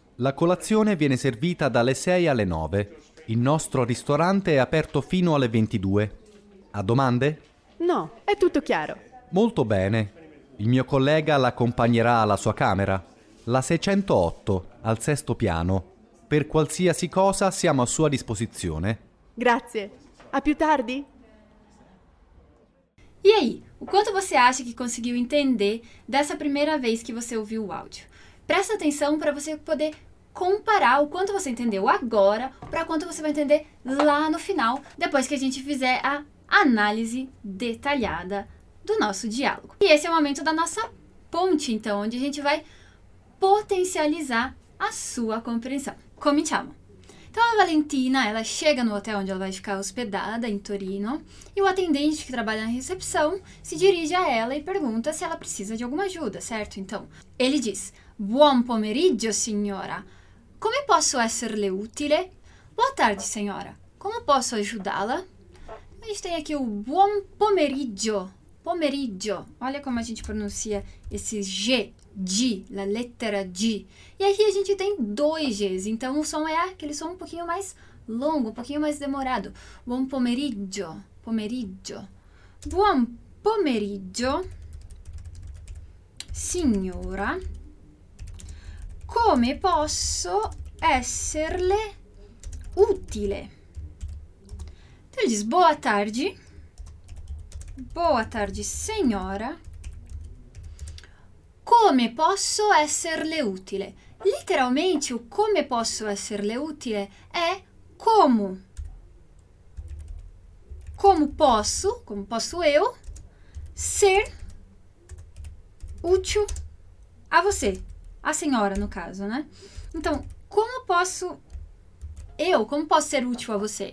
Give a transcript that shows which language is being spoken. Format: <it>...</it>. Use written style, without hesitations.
<it>La colazione viene servita dalle 6 alle 9. Il nostro ristorante è aperto fino alle 22. Ha domande? No, è tutto chiaro. Molto bene. Il mio collega l'accompagnerà alla sua camera. La 608, al 6° piano. Per qualsiasi cosa siamo a sua disposizione. Grazie. A più tardi.</it> <pt>E aí, o quanto você acha que conseguiu entender dessa primeira vez que você ouviu o áudio? Presta atenção para você poder comparar o quanto você entendeu agora para quanto você vai entender lá no final, depois que a gente fizer a análise detalhada do nosso diálogo. E esse é o momento da nossa ponte, então, onde a gente vai potencializar a sua compreensão.</pt> <it>Cominciamo.</it> <pt>Então, a Valentina, ela chega no hotel onde ela vai ficar hospedada, em Torino, e o atendente que trabalha na recepção se dirige a ela e pergunta se ela precisa de alguma ajuda, certo? Então, ele diz,</pt> <it>buon pomeriggio, signora. Come posso esserle utile?</it> <pt>Boa tarde, senhora. Como posso ajudá-la? A gente tem aqui o</pt> <it>buon pomeriggio.</it> <pt>Pomeriggio. Olha como a gente pronuncia esse G. De, la letra de. E aqui a gente tem 2 Gs, então o som é aquele som um pouquinho mais longo, um pouquinho mais demorado.</pt> <it>Buon pomeriggio, pomeriggio. Buon pomeriggio, signora. Come posso esserle utile?</it> <pt>Então ele diz boa tarde, senhora.</pt> <it>Come posso esserle utile?</it> <pt>Literalmente, o</pt> <it>come posso esserle utile</it> <pt>é como. Como posso eu ser útil a você? A senhora, no caso, né? Então, como posso ser útil a você?</pt>